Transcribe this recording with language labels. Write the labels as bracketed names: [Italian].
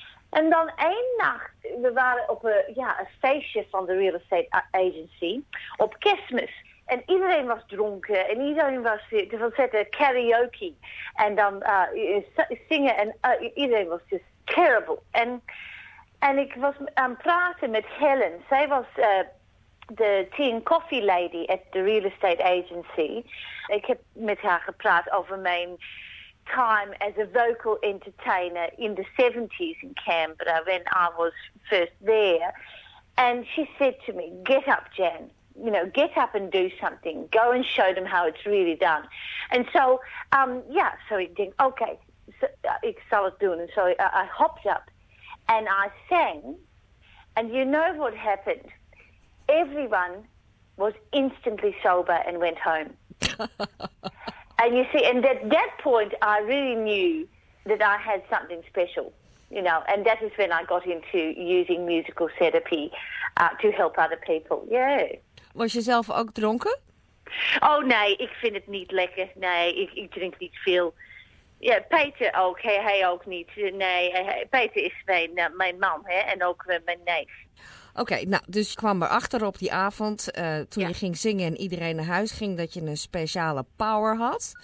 [Dutch] En dan één nacht, we waren op een feestje van de [English] real estate agency [Dutch] op Kerstmis. En iedereen was dronken en iedereen was te verzetten karaoke. En dan zingen en iedereen was [English] just terrible. [Dutch] En ik was aan het praten met Helen. Zij was de [English] tea and coffee lady at the real estate agency. [Dutch] Ik heb met haar gepraat over mijn [English] time as a vocal entertainer in the 70s in Canberra when I was first there. And she said to me, get up, Jan. You know, get up and do something. Go and show them how it's really done. And so, so I think, okay, so, [Dutch] ik zal het doen. [English] And so I hopped up. And I sang, and you know what happened? Everyone was instantly sober and went home. And you see, and at that point, I really knew that I had something special, you know, and that is when I got into using musical therapy to help other people. Yeah. [Dutch] Was je zelf ook dronken? Oh, nee, ik vind het niet lekker. Nee, ik drink niet veel. Ja, Peter ook. Hij ook niet. Nee, Peter is mijn man, hè, en ook mijn neef. Oké, nou, dus je kwam erachter op die avond toen je ging zingen en iedereen naar huis ging, dat je een speciale power had.